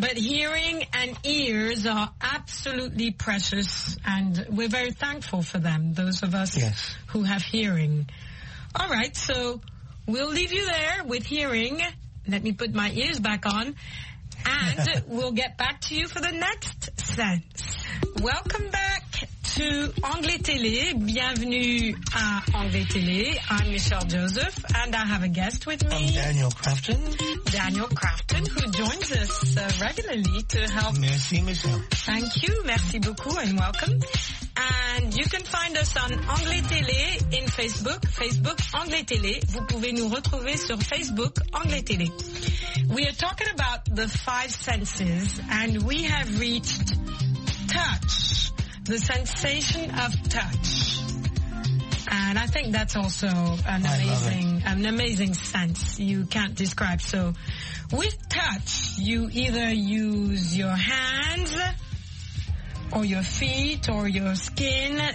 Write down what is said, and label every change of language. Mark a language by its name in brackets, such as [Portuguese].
[English] But hearing and ears are absolutely precious, and we're very thankful for them, those of us yes. who have hearing. All right, so we'll leave you there with hearing. Let me put my ears back on, and we'll get back to you for the next sense. Welcome back to Anglais Télé. [French] Bienvenue à Anglais Télé. [English] I'm Michelle Joseph, and I have a guest with me. I'm Daniel Crafton. Daniel Crafton, who joins us regularly to help. [French] Merci, Michelle. [English] Thank you. [French] Merci beaucoup, [English] and welcome. And you can find us on Anglais Télé in Facebook. Facebook Anglais Télé. [French] Vous pouvez nous retrouver sur Facebook Anglais Télé. [English] We are talking about the five senses, and we have reached touch. The sensation of touch. And I think that's also an amazing sense you can't describe. So with touch, you either use your hands or your feet or your skin.